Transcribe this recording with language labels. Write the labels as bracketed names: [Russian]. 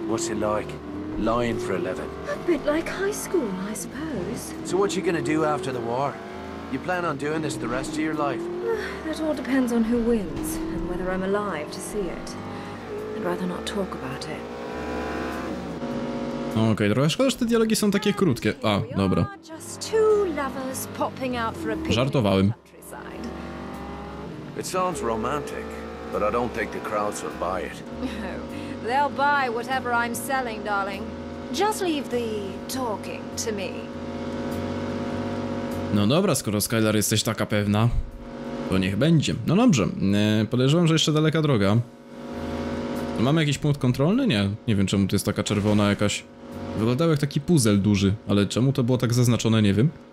[English] What's it like? Lying for a living? A bit like high school, I suppose. So what you gonna do after the war? You plan on doing this the rest of your life? That all depends on who wins. Whether I'm alive to see it. I'd rather not talk about it. [Polish] Okay, trochę szkoda, że te dialogi są takie krótkie. A, dobra. [English] Just two lovers popping out for a picnic. [Polish] Żartowałem. [English] It sounds romantic, but I don't think the crowds will buy it. No, they'll buy whatever I'm selling, darling. Just leave the talking to me. [Polish] No dobra, skoro Skylar jesteś taka pewna. To niech będzie. No dobrze, podejrzewam, że jeszcze daleka droga. Mamy jakiś punkt kontrolny? Nie. Nie wiem, czemu to jest taka czerwona jakaś. Wyglądał jak taki puzzle duży, ale czemu to było tak zaznaczone, nie wiem.